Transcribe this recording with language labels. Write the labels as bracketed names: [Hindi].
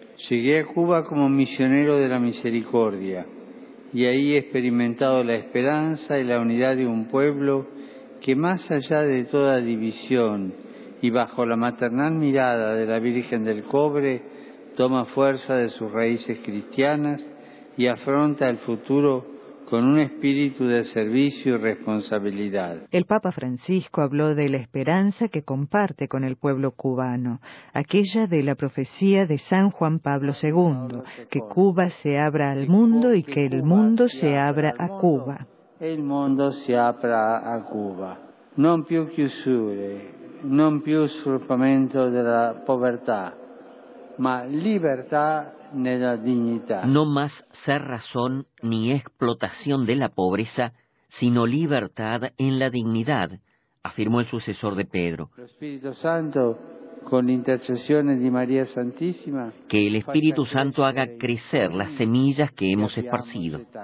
[Spanish] Llegué a Cuba como misionero de la misericordia y ahí he experimentado la esperanza y la unidad de un pueblo que, más allá de toda división y bajo la maternal mirada de la Virgen del Cobre, toma fuerza de sus raíces cristianas y afronta el futuro con un espíritu de servicio y responsabilidad. El Papa Francisco habló de la esperanza que comparte con el pueblo cubano, aquella de la profecía de San Juan Pablo II, que Cuba se abra al mundo y que el mundo se abra a Cuba. El mundo se abra a Cuba. [Italian] Non più chiusure, non più sfruttamento della povertà, ma libertà nella dignità. [Spanish] No más cerrazón ni explotación de la pobreza, sino libertad en la dignidad, afirmó el sucesor de Pedro. El Espíritu Santo, con intercesiones de María Santísima, que el Espíritu Santo haga crecer las semillas que hemos esparcido.